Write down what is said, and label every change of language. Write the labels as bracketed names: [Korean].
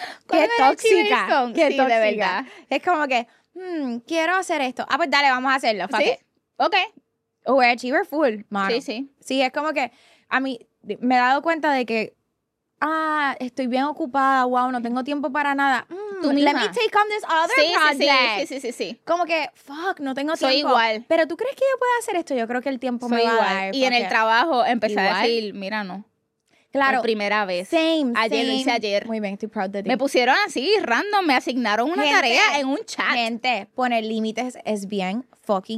[Spanish] Qué tóxica. Qué sí, tóxica. De verdad. Es como que... quiero hacer esto. Ah, pues dale, vamos a hacerlo. ¿Sí? Ok. [English] Overachiever full, mano. [Spanish] Sí, sí. Sí, es como que a mí me he dado cuenta de que, estoy bien ocupada, wow, no tengo tiempo para nada. Tú misma. [English] Let me take on this other project. [Spanish] Sí. Como que, no tengo tiempo. Soy igual. Pero ¿tú crees que yo puedo hacer esto? Yo creo que el tiempo me va a dar. Y en el trabajo empecé a decir, mira, no. Claro. Por primera vez. [English] Same. [Spanish] Ayer lo hice ayer. Muy bien, estoy proud de ti. Me pusieron así, random, me asignaron una tarea en un chat. Gente, poner límites es bien fucking